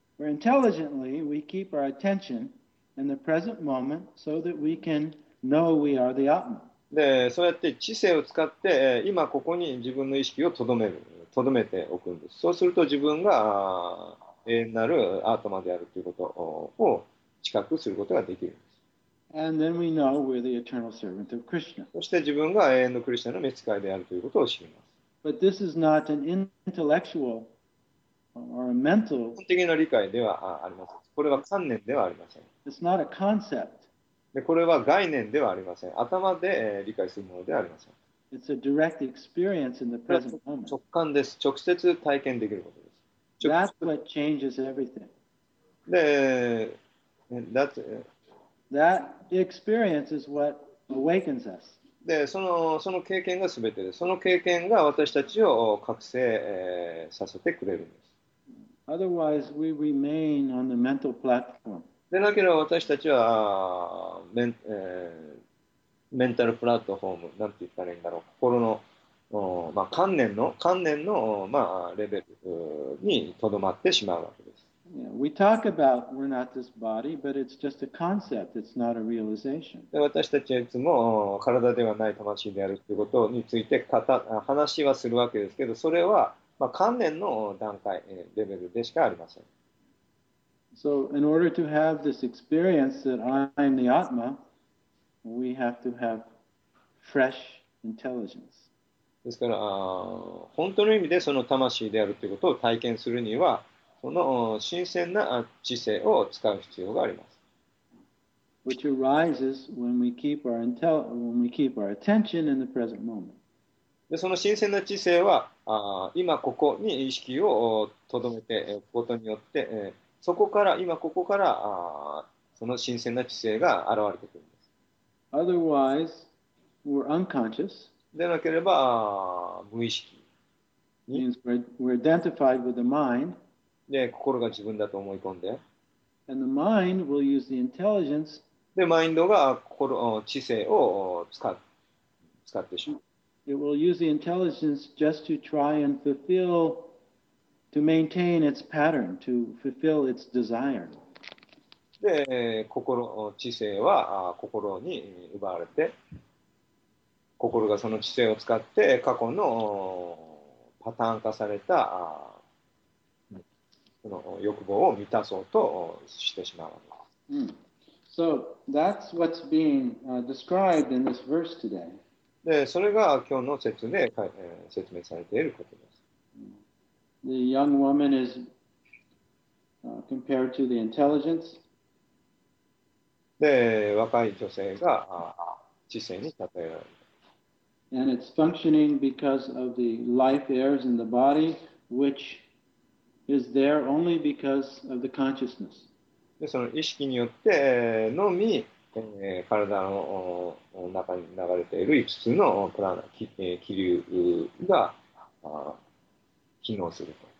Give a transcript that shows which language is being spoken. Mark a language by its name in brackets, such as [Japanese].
[English] We're intelligently we keep our attention in the present moment so that we can know we are the Atman. [Japanese] でそうやって知性を使って今ここに自分の意識をとどめておくんです。そうすると自分が永遠なるアートマであるということを知覚することができるんです。 [English] And then we know we're the eternal servant of Krishna. [Japanese] そして自分が永遠のクリシナの召使いであるということを知ります。 [English] But this is not an intellectual or a mental. [Japanese] 基本的な理解ではありません。これは観念ではありません。 [English] It's not a concept. [Japanese] でこれは概念ではありません。頭で、理解するものではありません。 [English] It's a direct experience in the present moment. [Japanese] 直感です。直接体験できることです。 [English] That's what changes everything. [Japanese] で、 [English] That experience is what awakens us. [Japanese] で、その経験が全てです。その経験が私たちを覚醒、させてくれるんです。 [English] Otherwise, we remain on the mental platform. [Japanese] でなければ私たちはメンタルプラットフォーム、なんて言ったらいいんだろう、心の、まあ、観念の、まあ、レベルにとどまってしまうわけです。 [English] Yeah, we talk about we're not this body, but it's just a concept, it's not a realization. [Japanese] で私たちはいつも体ではない魂であるということについて話はするわけですけど、それは、まあ、観念の段階、レベルでしかありません。 [English] So, in order to have this experience that I'm the Atma, we have to have fresh intelligence. [Japanese] ですから、本当の意味でその魂であるということを体験するには、その新鮮な知性を使う必要があります。 [English] Which arises when we keep our when we keep our attention in the present moment. [Japanese] で、その新鮮な知性は、今ここに意識を留めておくことによって、そこから今ここからその新鮮な知性が現れてくるんです。 [English] Otherwise, we're unconscious. [Japanese] でなければ無意識。 [English] Means we're identified with the mind. [Japanese] で心が自分だと思い込んで。 [English] And the mind will use the intelligence. [Japanese] でマインドが知性を使ってしまう。 [English] It will use the intelligence just to try and fulfill. To maintain its pattern, to fulfill its desire. [Japanese] で、知性は心に奪われて、心がその知性を使って過去のパターン化されたその欲望を満たそうとしてしまうわけです。 [English] So that's what's being described in this verse today. [Japanese] で、それが今日の説で説明されていることです。 [English] The young woman is compared to the intelligence. [Japanese] で、若い女性が知性に例えられる。 [English] And it's functioning because of the life airs in the body, which is there only because of the consciousness. [Japanese] で、その意識によってのみ、体の中に流れている5つのプラナ、気流が機能すると。